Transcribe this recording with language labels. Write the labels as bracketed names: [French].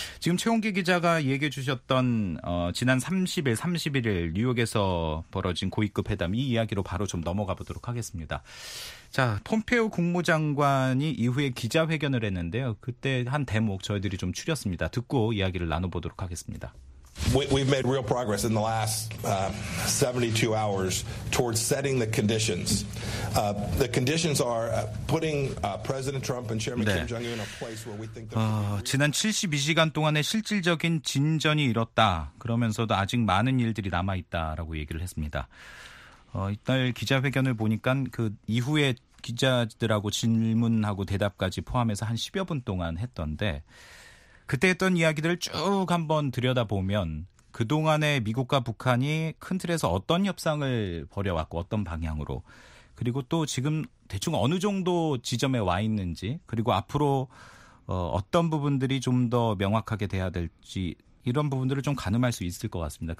[Korean] 지금 최홍기 기자가 얘기해 주셨던 지난 30일, 31일 뉴욕에서 벌어진 고위급 회담 이 이야기로 바로 좀 넘어가 보도록 하겠습니다. 자, 폼페오 국무장관이 이후에 기자회견을 했는데요. 그때 한 대목 저희들이 좀 추렸습니다. 듣고 이야기를 나눠보도록 하겠습니다. [English] We've made real progress in the last 72 hours towards setting the conditions. The conditions are putting President Trump and Chairman [Korean] 네. [English] Kim Jong-un in a place where we think that [Korean] 지난 72시간 동안의 실질적인 진전이 이뤘다. 그러면서도 아직 많은 일들이 남아 있다라고 얘기를 했습니다. 이날 기자회견을 보니까 그 이후에 기자들하고 질문하고 대답까지 포함해서 한 10여 분 동안 했던데 그때 했던 이야기들을 쭉 한번 들여다보면 그동안에 미국과 북한이 큰 틀에서 어떤 협상을 벌여왔고 어떤 방향으로 그리고 또 지금 대충 어느 정도 지점에 와 있는지 그리고 앞으로 어떤 부분들이 좀 더 명확하게 돼야 될지 이런 부분들을 좀 가늠할 수 있을 것 같습니다.